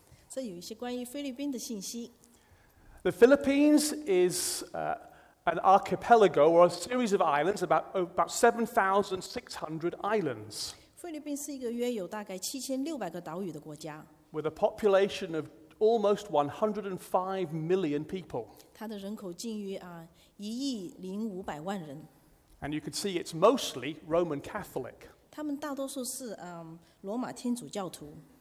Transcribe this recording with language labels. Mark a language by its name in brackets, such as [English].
[Chinese] 这有一些关于菲律宾的信息。 [English] The Philippines is... An archipelago or a series of islands, about 7,600 islands. [Chinese] 菲律宾是一个约有大概7,600个岛屿的国家。 [English] With a population of almost 105 million people. [Chinese] 它的人口近于1,500,000人。 [English] And you can see it's mostly Roman Catholic. [Chinese] 他们大多数是罗马天主教徒。